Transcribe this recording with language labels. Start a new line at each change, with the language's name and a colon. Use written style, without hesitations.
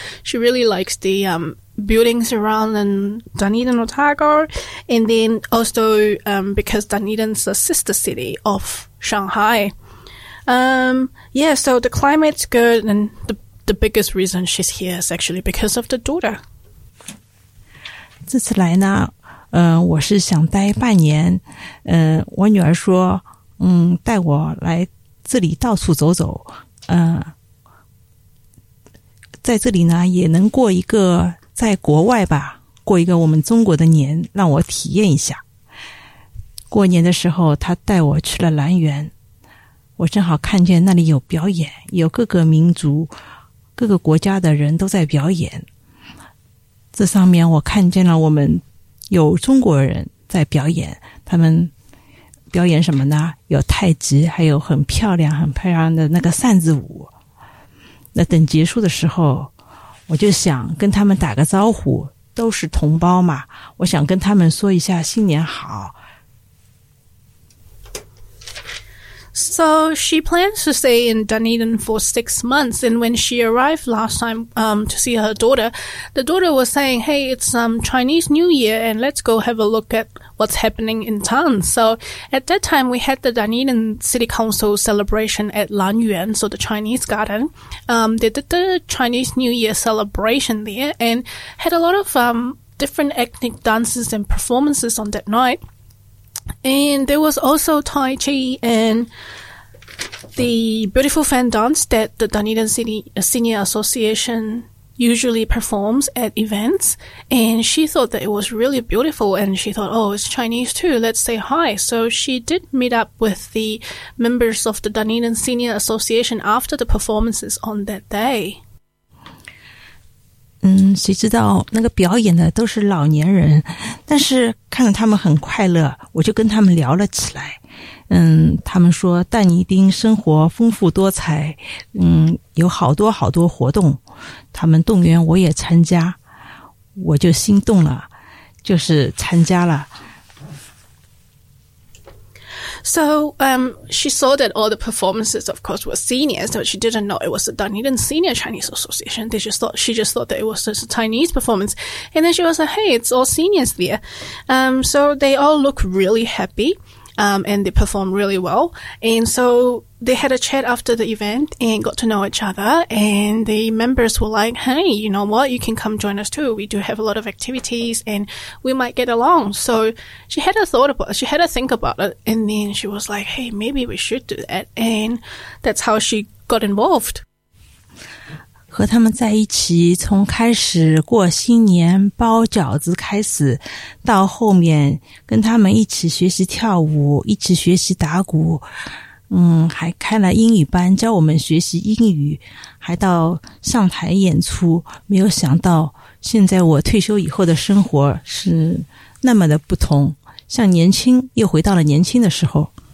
English: She really likes the, buildings around in Dunedin, Otago. And then also, because Dunedin's a sister city of Shanghai. So the climate's good and the biggest reason she's here is actually because of the daughter.
Chinese: 这次来呢，我是想待半年。我女儿说，带我来这里到处走走。在这里呢，也能过一个在国外吧，过一个我们中国的年，让我体验一下。过年的时候，她带我去了兰园，我正好看见那里有表演，有各个民族各个国家的人都在表演，这上面我看见了我们有中国人在表演，他们表演什么呢？有太极，还有很漂亮很漂亮的那个扇子舞。那等结束的时候，我就想跟他们打个招呼，都是同胞嘛，我想跟他们说一下新年好。
English: So she plans to stay in Dunedin for 6 months. And when she arrived last time, to see her daughter, the daughter was saying, hey, it's, Chinese New Year and let's go have a look at what's happening in town. So at that time, we had the Dunedin City Council celebration at Lan Yuan, so the Chinese garden. They did the Chinese New Year celebration there and had a lot of, different ethnic dances and performances on that night. And there was also Tai Chi and the beautiful fan dance that the Dunedin City Senior Association usually performs at events. And she thought that it was really beautiful and she thought, oh, it's Chinese too, let's say hi. So she did meet up with the members of the Dunedin Senior Association after the performances on that day.
Chinese: 谁知道那个表演的都是老年人，但是看着他们很快乐，我就跟他们聊了起来。他们说但尼丁生活丰富多彩，有好多好多活动，他们动员我也参加，我就心动了，就是参加了。
English: So, she saw that all the performances, of course, were seniors, but she didn't know it was the Dunedin Senior Chinese Association. She just thought that it was just a Chinese performance. And then she was like, hey, it's all seniors there. So they all look really happy, and they perform really well. And so they had a chat after the event and got to know each other. And the members were like, hey, you know what? You can come join us too. We do have a lot of activities and we might get along. So she had a thought about it. She had a think about it. And then she was like, hey, maybe we should do that. And that's how she got involved.
Chinese: 和他们在一起，从开始过新年包饺子开始，到后面跟他们一起学习跳舞，一起学习打鼓。还开了英语班教我们学习英语，还到上台演出，没有想到现在我退休以后的生活是那么的不同，像年轻，又回到了年轻的时候。